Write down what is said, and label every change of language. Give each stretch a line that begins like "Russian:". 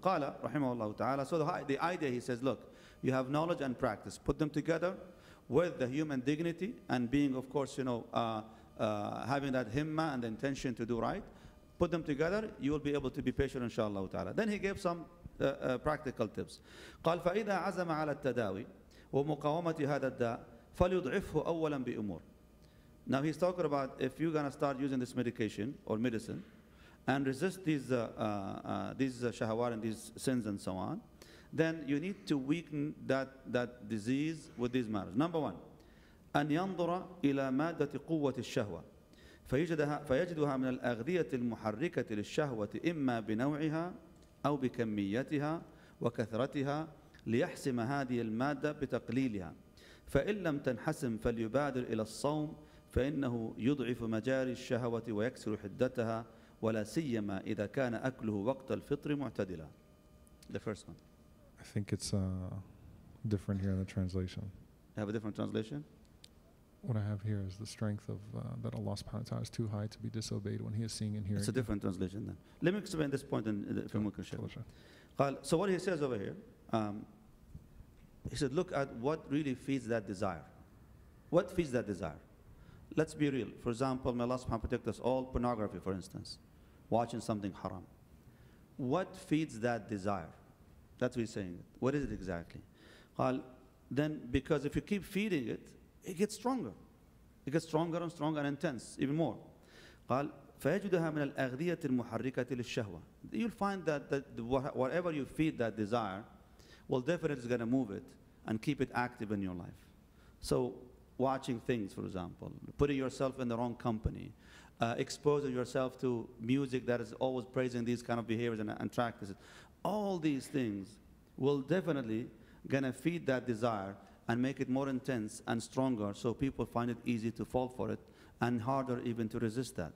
Arabic: Qala rahimahullah ta'ala.
English: So the idea, he says, look, you have knowledge and practice. Put them together with the human dignity and being, of course, you know, having that himma and the intention to do right. Put them together, you will be able to be patient, inshallah ta'ala. Then he gave some practical tips.
Arabic: قال فإذا عزم على التداوي ومقاومة هذا الداء فليضعفه أولا بأمور.
English: Now he's talking about if you're gonna start using this medication or medicine and resist these shahawar and these sins and so on, then you need to weaken that disease with these matters. Number one,
Arabic: أن ينظر إلى مادة قوة الشهوة فيجدها من الأغذية المحركة للشهوة إما بنوعها أو بكميتها وكثرتها ليحسم هذه المادة بتقليلها فإن لم تنحسم فليبادر إلى الصوم فإنه يضعف مجاري الشهوة ويكسر حدتها ولا سيما إذا كان أكله وقت الفطر معتدلا.
English: The first one. I think it's different here in the translation. You have a different translation? What I have here is the strength of that Allah subhanahu wa ta'ala is too high to be disobeyed when he is seeing and hearing. It's a different translation then. Let me explain this point in the framework of Sheikh. So what he says over here, he said, look at what really feeds that desire. What feeds that desire? Let's be real. For example, may Allah subhanahu wa ta'ala protect us all, pornography, for instance, watching something haram. What feeds that desire? That's what he's saying. What is it exactly? Then, because if you keep feeding it, it gets stronger and stronger and intense, even more. قال
Arabic: فيجدها من الأغذية المحركة للشهوة.
English: You'll find that whatever you feed that desire will definitely going to move it and keep it active in your life. So watching things, for example, putting yourself in the wrong company, exposing yourself to music that is always praising these kind of behaviors and practices, all these things will definitely going to feed that desire and make it more intense and stronger, so people find it easy to fall for it and harder even to resist that.